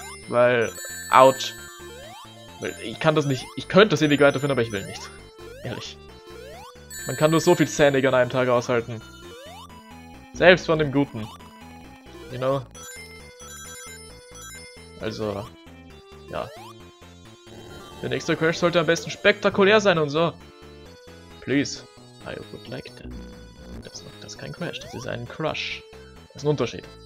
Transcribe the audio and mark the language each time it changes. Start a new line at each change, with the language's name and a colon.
German: Weil, ouch. Ich kann das nicht, ich könnte das ewig weiterführen, aber ich will nicht. Ehrlich. Man kann nur so viel Sandig an einem Tag aushalten. Selbst von dem Guten.
English: You know?
German: Also, ja. Der nächste Crash sollte am besten spektakulär sein und so.
English: Please, I would like that.
German: Das ist kein Crash, das ist ein Crush. Das ist ein Unterschied.